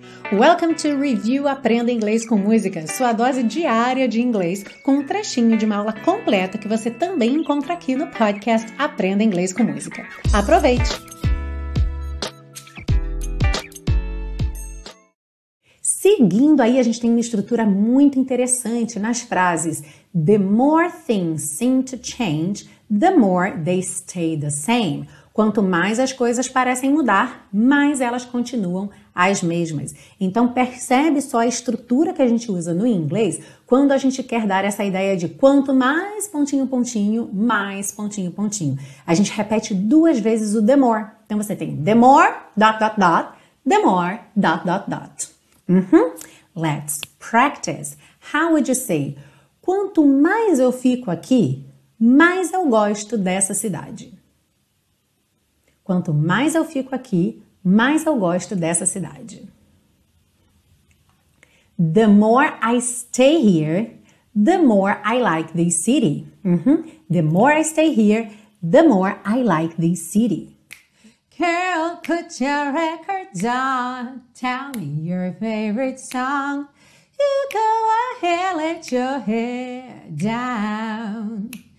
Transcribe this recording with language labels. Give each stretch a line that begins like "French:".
English: Welcome to
Portuguese: Review Aprenda Inglês com Música, sua dose diária de inglês, com um trechinho de uma aula completa que você também encontra aqui no podcast Aprenda Inglês com Música. Aproveite! Seguindo aí, a gente tem uma estrutura muito interessante nas frases.
English: The more things seem to change, the more they stay the same.
Portuguese: Quanto mais as coisas parecem mudar, mais elas continuam as mesmas. Então, percebe só a estrutura que a gente usa no inglês quando a gente quer dar essa ideia de quanto mais pontinho, pontinho, mais pontinho, pontinho. A gente repete duas vezes o the more. Então, você tem
English: the more, dot, dot,
Portuguese: dot, the more, dot, dot, dot. Uhum.
English: Let's practice. How would you say?
Portuguese: Quanto mais eu fico aqui, mais eu gosto dessa cidade. Quanto mais eu fico aqui, mais eu gosto dessa cidade.
English: The more I stay here, the more I like this city. Uhum. The more I stay here, the more I like this city. Girl, put your record on. Tell me your favorite song. You go ahead, let your hair down.